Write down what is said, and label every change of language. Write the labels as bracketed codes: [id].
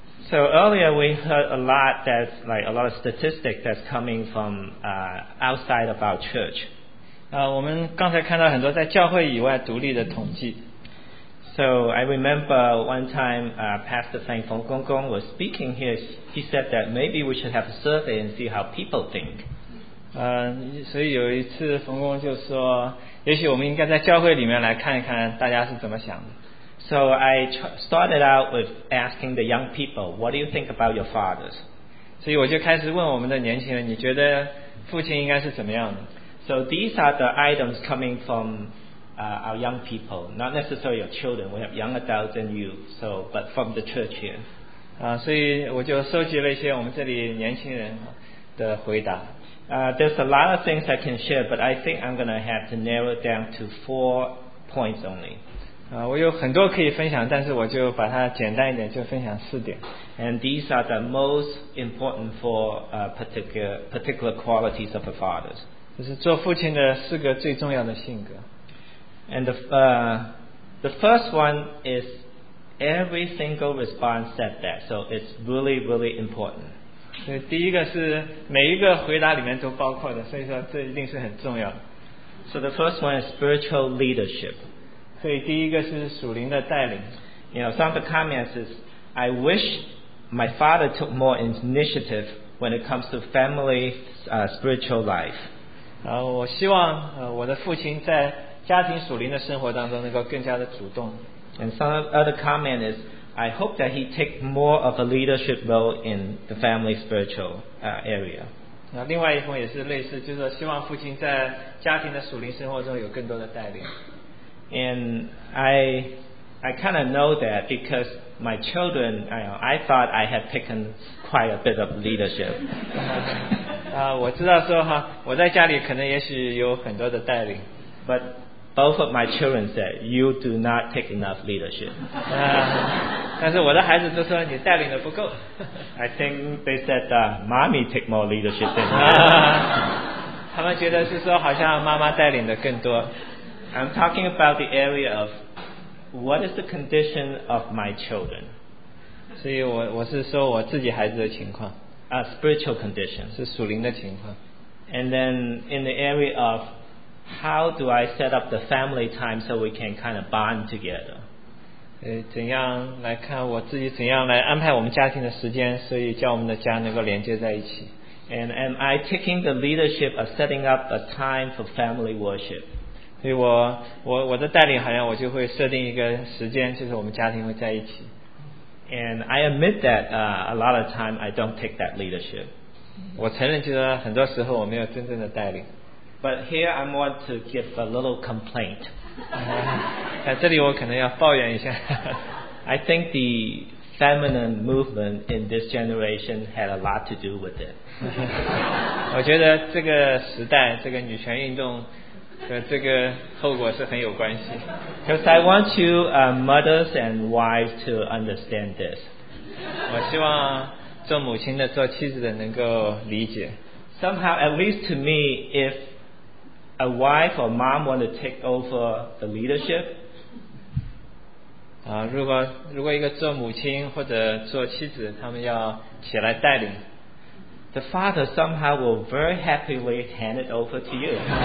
[en] So earlier we heard a lot that's like a lot of statistics that's coming from outside of our church. [zh] 我们刚才看到很多在教会以外独立的统计。 [en] So I remember one time Pastor Frank Feng Gong Gong was speaking here. He said that maybe we should have a survey and see how people think. [zh] 所以有一次冯公就说，也许我们应该在教会里面来看一看大家是怎么想的。 [en] So I started out with asking the young people, what do you think about your fathers? [zh] 所以我就开始问我们的年轻人，你觉得父亲应该是怎么样的？ [en] So these are the items coming from our young people, not necessarily your children. We have young adults and youth, so, but from the church here. [zh] 所以我就收集了一些我们这里年轻人的回答。 [en] There's a lot of things I can share, but I think I'm going to have to narrow it down to 4 points only. [zh] 我有很多可以分享，但是我就把它简单一点，就分享四点。 [en] And these are the most important for particular qualities of a father. [zh] 就是做父亲的四个最重要的性格。 [en] And the first one is every single response said that, so it's really, really important. [zh] 所以第一个是每一个回答里面都包括的，所以说这一定是很重要的。 [en] So the first one is spiritual leadership. [zh] 所以第一个是属灵的带领。 [en] You know, some of the comments is, I wish my father took more initiative when it comes to family spiritual life. [zh] 然后我希望我的父亲在家庭属灵的生活当中能够更加的主动。 [en] And some other comment is, I hope that he take more of a leadership role in the family spiritual area. [zh] 那另外一封也是类似，就是说希望父亲在家庭的属灵生活中有更多的带领。 [en] And I kind of know that because my children, I thought I had taken quite a bit of leadership. [zh] 我知道说哈，我在家里可能也许有很多的带领 [en] ，but both of my children said you do not take enough leadership. [zh] 但是我的孩子都说你带领的不够。 [en] I think they said mommy take more leadership than me. [zh] 他们觉得是说好像妈妈带领的更多。 [en] I'm talking about the area of what is the condition of my children. [zh] 所以我是说我自己孩子的情况。 [en] Spiritual condition [zh] 是属灵的情况。 [en] And then in the area of how do I set up the family time so we can kind of bond together. [zh] 怎样来看我自己怎样来安排我们家庭的时间，所以叫我们的家能够连接在一起。 [en] And am I taking the leadership of setting up a time for family worship? [zh] 所以我的带领好像我就会设定一个时间，就是我们家庭会在一起。 [en] And I admit that a lot of time I don't take that leadership. [zh] 我承认就是很多时候我没有真正的带领。 [en] But here I want to give a little complaint. [zh] 在这里我可能要抱怨一下。 [en] I think the feminine movement in this generation had a lot to do with it. [zh] 我觉得这个时代，这个女权运动和这个后果是很有关系。 [en] Because I want you mothers and wives to understand this. [zh] 我希望做母亲的、做妻子的能够理解。 [en] Somehow, at least to me, if a wife or mom want to take over the leadership. [zh] 如果一个做母亲或者做妻子，他们要起来带领 [en] ，the father somehow will very happily hand it over to you.